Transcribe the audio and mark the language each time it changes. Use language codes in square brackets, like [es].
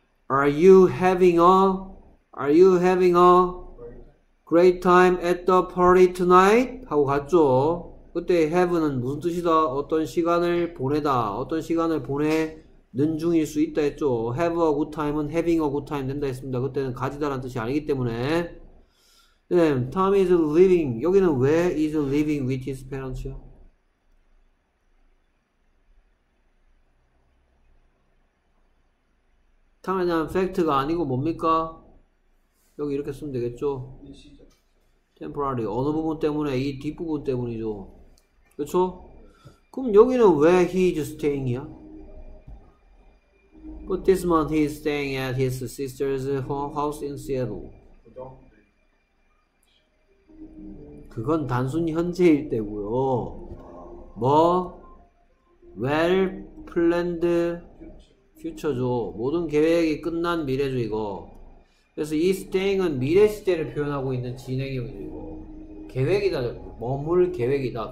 [en] Are you having a Are you having a great time at the party tonight? [ko] 하고 갔죠. 그때 have는 무슨 뜻이다? 어떤 시간을 보내다. 어떤 시간을 보내는 중일 수 있다 했죠. [en] Have a good time은 having a good time [ko] 된다 했습니다. 그때는 가지다라는 뜻이 아니기 때문에. [en] 네, Tom is living. 여기는 where is living with his parents요? [ko] 탐에 대한 팩트가 아니고 뭡니까? 여기 이렇게 쓰면 되겠죠. 일시적. temporary. 어느 부분 때문에? 이 뒷부분 때문이죠. 그렇죠? 그럼 여기는 왜 he is staying이야? [en] But this month he is staying at his sister's house in Seattle. [ko] 그건 단순 현재일 때고요. [en] 뭐? well planned future죠. [ko] 모든 계획이 끝난 미래죠, 이거. 그래서 이 staying은 미래 시제를 표현하고 있는 진행형이고 계획이다, 머물 계획이다.